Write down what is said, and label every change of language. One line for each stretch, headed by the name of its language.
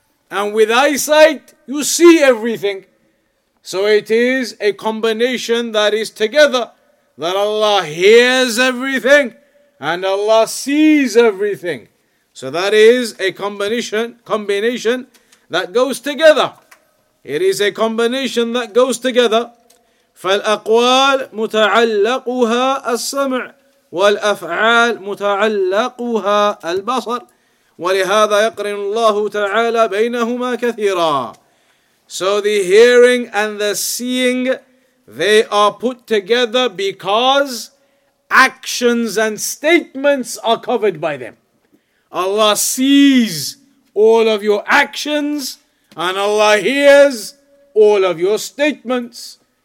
English: And with eyesight, you see everything. So it is a combination that is together, that Allah hears everything and Allah sees everything. So that is a combination that goes together. It is a combination that goes together.
Arabic: فالأقوال متعلقها السمع والأفعال متعلقها البصر. وَلِهَذَا يَقْرِنُ اللَّهُ تَعَالَى بَيْنَهُمَا كَثِيرًا.
English: So the hearing and the seeing, they are put together because actions and statements are covered by them. Allah sees all of your actions and Allah hears all of your statements.